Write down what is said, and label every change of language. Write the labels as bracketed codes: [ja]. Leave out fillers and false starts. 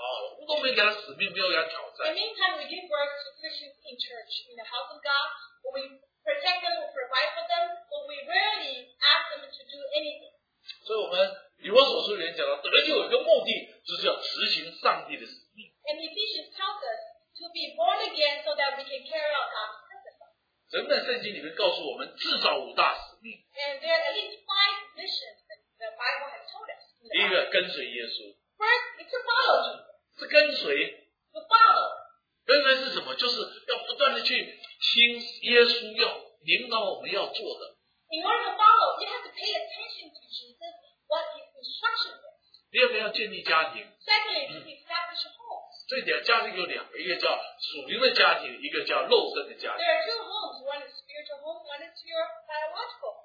[zh] 我们今天我们在生孩子，上帝让我们得救以后，我们教会也有这个毛病，什么都要给他照顾得好好的，我们都没给他使命，没有给他挑战。 [en] In the meantime, we give birth to Christians in church in the house of God, but we protect them, we provide for them, but we rarely ask them to do anything. [zh] 所以我们以弗所书里面讲到，得救有一个目的，就是要执行上帝的使命。 [en] And Ephesians tells us to be born again so that we can carry out God's purpose. [zh] 整本圣经里面告诉我们，至少五大使命。 [en] And there are at least five missions that the Bible has told us. [zh] 第一个，跟随耶稣。 [en] First, it's to follow Jesus. [zh] 是跟随。 [en] To follow. [zh] 跟随是什么？就是要不断的去。听耶稣要领导我们要做的。 [en] In order to follow, you have to pay attention to Jesus, what his instruction is. [zh] 第二个要建立家庭。 [en] Secondly, to establish homes. [zh] 这点家庭有两个，一个叫属灵的家庭，一个叫肉身的家庭。 [en] There are two homes, one is spiritual home, one is your biological.